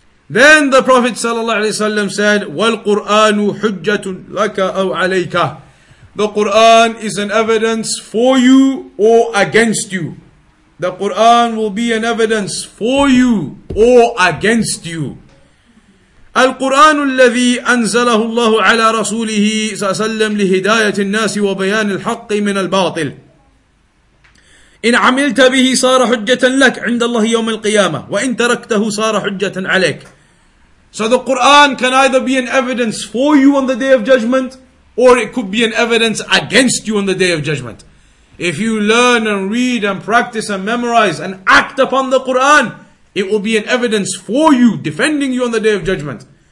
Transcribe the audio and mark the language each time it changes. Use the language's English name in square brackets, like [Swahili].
[English] Then the Prophet ﷺ said, [Arabic] وَالْقُرْآنُ حُجَّةٌ لَكَ أَوْ عَلَيْكَ. [English] The Qur'an is an evidence for you or against you. The Qur'an will be an evidence for you or against you. [Arabic] الْقُرْآنُ الَّذِي أَنزَلَهُ اللَّهُ عَلَىٰ رَسُولِهِ سَسَلَّمْ لِهِدَايَةِ النَّاسِ وَبَيَانِ الْحَقِّ مِنَ الْبَاطِلِ إن عملت به صار حجة لك عند الله يوم القيامة وإن تركته صار حجة عليك. [English] So the Quran can either be an evidence for you on the day of judgment, or it could be an evidence against you on the day of judgment. If you learn and read and practice and memorize and act upon the Quran, it will be an evidence for you, defending you on the day of judgment.